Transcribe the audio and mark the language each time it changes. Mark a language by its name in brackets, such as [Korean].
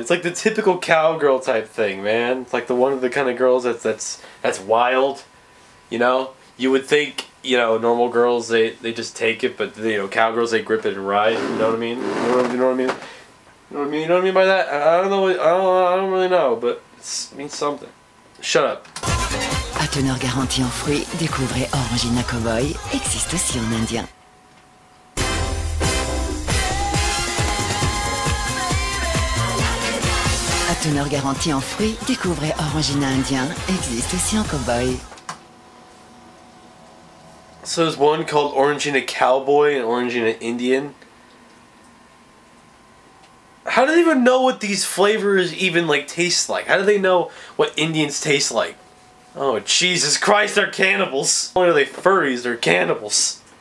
[English] It's like the typical cowgirl type thing, man. It's like the one of the kind of girls that's wild, you know? You would think, you know, normal girls, they just take it, but, you know, cowgirls, they grip it and ride. You know what I mean? You know what I mean by that? I don't really know, but it means something. Shut up. [French] À teneur garantie en fruits, découvrez Oragina Cowboy, existe aussi en indien. À teneur garantie en fruits, découvrez Oragina indien, existe aussi en cowboy. [English] So there's one called Oragina Cowboy and Oragina Indian. How do they even know what these flavors even like taste like? How do they know what Indians taste like? Oh, Jesus Christ, they're cannibals! Not only are they furries, they're cannibals.